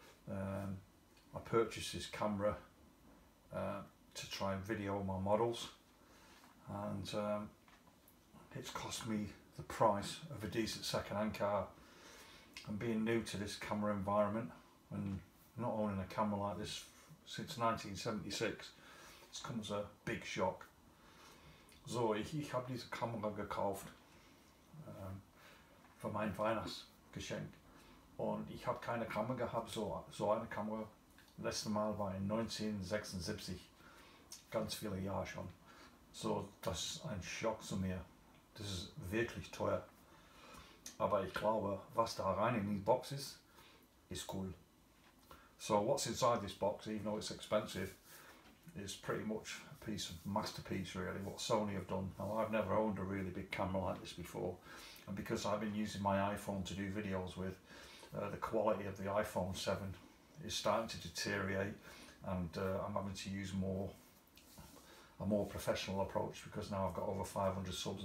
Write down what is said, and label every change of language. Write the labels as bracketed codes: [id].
[en] I purchased this camera to try and video my models, and it's cost me the price of a decent second-hand car. And being new to this camera environment and not owning a camera like this since 1976, it's come as a big shock. [de] So ich habe diese Kamera gekauft für mein Weihnachtsgeschenk, und ich habe keine Kamera gehabt, so eine Kamera. Letzte Mal war in 1976, ganz viele Jahre schon. So, das ist ein Schock zu mir. Das ist wirklich teuer. Aber ich glaube, was da rein in die Box ist, ist cool. [en] So, what's inside this box, even though it's expensive, is pretty much a piece of masterpiece, really, what Sony have done. Now, I've never owned a really big camera like this before. And because I've been using my iPhone to do videos with, the quality of the iPhone 7 is starting to deteriorate, and I'm having to use a more professional approach, because now I've got over 500 subs.